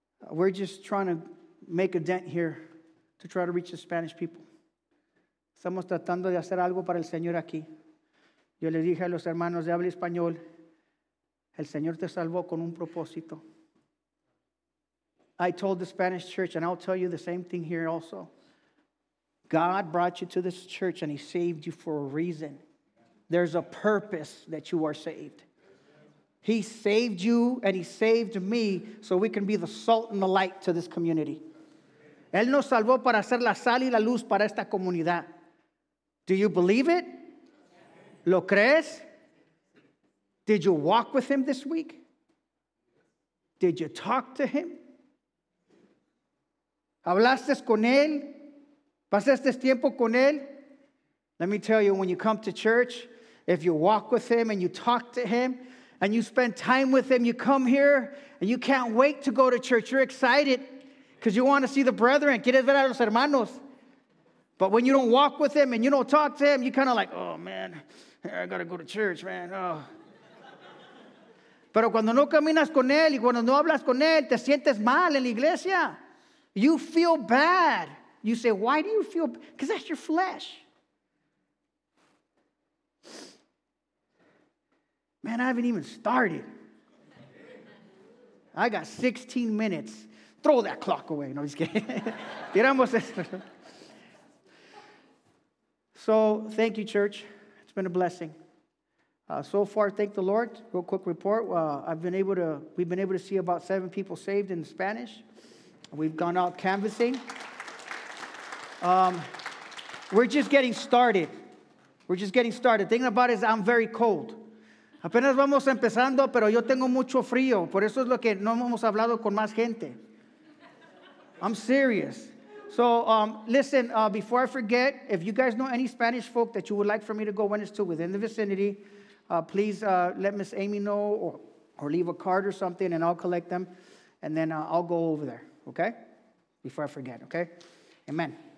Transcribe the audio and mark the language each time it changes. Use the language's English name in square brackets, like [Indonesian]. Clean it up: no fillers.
[English] We're just trying to make a dent here to try to reach the Spanish people. [Spanish] Estamos tratando de hacer algo para el Señor aquí. Yo le dije a los hermanos de habla español, el Señor te salvó con un propósito. [English] I told the Spanish church, and I'll tell you the same thing here also. God brought you to this church and he saved you for a reason. There's a purpose that you are saved. He saved you and he saved me so we can be the salt and the light to this community. [Spanish] Él nos salvó para hacer la sal y la luz para esta comunidad. [English] Do you believe it? [Spanish] ¿Lo crees? [English] Did you walk with him this week? Did you talk to him? [Spanish] ¿Hablaste con él? ¿Pasaste tiempo con él? [English] Let me tell you, when you come to church, if you walk with him and you talk to him and you spend time with him, you come here and you can't wait to go to church. You're excited because you want to see the brethren. [Spanish] ¿Quieres ver a los hermanos? [English] But when you don't walk with him and you don't talk to him, you're kind of like, oh, man, I got to go to church, man. Oh. [Spanish] Pero cuando no caminas con él y cuando no hablas con él, te sientes mal en la iglesia. [English] You feel bad. You say, why do you feel bad? Because that's your flesh. Man, I haven't even started. I got 16 minutes. Throw that clock away. No, I'm just kidding. So, thank you, church. It's been a blessing. So far, thank the Lord. Real quick report. We've been able to see about 7 people saved in Spanish. We've gone out canvassing. We're just getting started. We're just getting started. Thinking about it is I'm very cold. [Spanish] Apenas vamos empezando, pero yo tengo mucho frío. Por eso es lo que no hemos hablado con más gente. [English] I'm serious. So, listen, before I forget, if you guys know any Spanish folk that you would like for me to go when it's to within the vicinity, please let Miss Amy know or leave a card or something, and I'll collect them, and then I'll go over there, okay? Before I forget, okay? Amen.